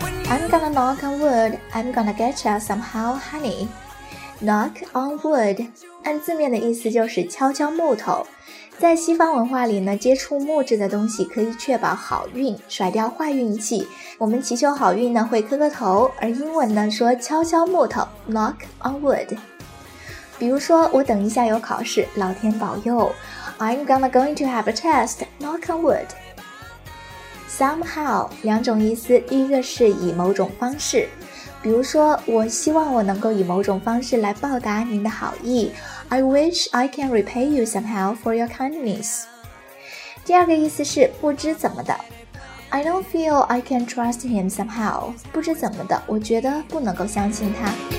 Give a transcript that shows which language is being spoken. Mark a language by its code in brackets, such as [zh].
[en] I'm gonna knock on wood I'm gonna get you somehow, honey [zh] Knock on wood， 按字面的意思就是敲敲木头。在西方文化里呢，接触木质的东西可以确保好运，甩掉坏运气。我们祈求好运呢会磕个头，而英文呢说敲敲木头， knock on wood。比如说我等一下有考试，老天保佑， [en] I'm going to have a test, knock on wood。 [zh] Somehow 两种意思，第一个是以某种方式，比如说我希望我能够以某种方式来报答您的好意， [en] I wish I can repay you somehow for your kindness。 [zh] 第二个意思是不知怎么的， [en] I don't feel I can trust him somehow， [zh] 不知怎么的，我觉得不能够相信他。